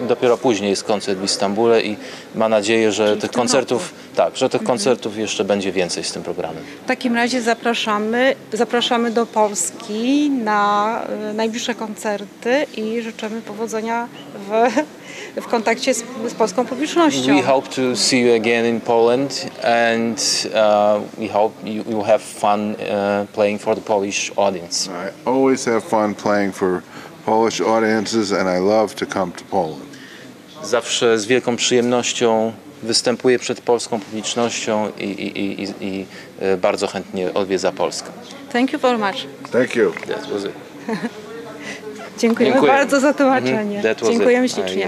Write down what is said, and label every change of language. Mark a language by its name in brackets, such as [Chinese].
[Polish] Dopiero później jest koncert w Istambule i ma nadzieję, że tych koncertów jeszcze będzie więcej z tym programem. W takim razie zapraszamy do Polski na najbliższe koncerty i życzymy powodzenia w kontakcie z polską publicznością. [English] We hope to see you again in Poland and we hope you have fun playing for the Polish audience. I always have fun playing for Polish audiences and I love to come to Poland. [Polish] Zawsze z wielką przyjemnością występuję przed polską publicznością i bardzo chętnie odwiedza Polskę. [English] Thank you very much. Thank you. That was it. [Polish] Dziękujemy bardzo za tłumaczenie. Dziękujemy ślicznie.